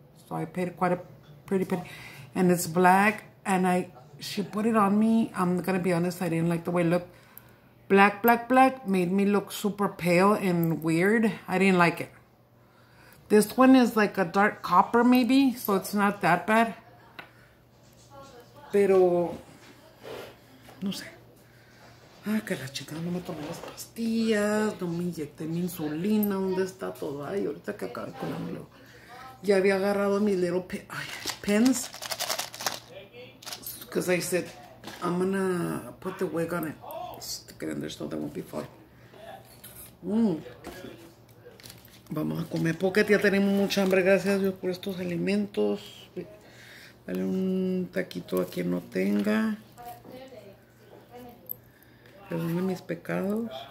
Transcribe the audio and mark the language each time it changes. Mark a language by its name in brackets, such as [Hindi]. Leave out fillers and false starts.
[English] So I paid quite a pretty penny. And it's black. And she put it on me. I'm going to be honest. I didn't like the way it looked. Black made me look super pale and weird. I didn't like it. This one is like a dark copper maybe. So it's not that bad. [Spanish] Pero no sé. Ah, que la chica no me tomé las pastillas, no me inyecté mi insulina, ¿dónde está todo? Ay, ahorita que acabé con el mío. Ya había agarrado mis [English] little pens. Because I said, I'm gonna put the wig on it. Stick it in there so they won't be far. [Spanish] Vamos a comer pocket. Ya tenemos mucha hambre, gracias a Dios por estos alimentos. Dale un taquito a quien no tenga. Perdona mis pecados.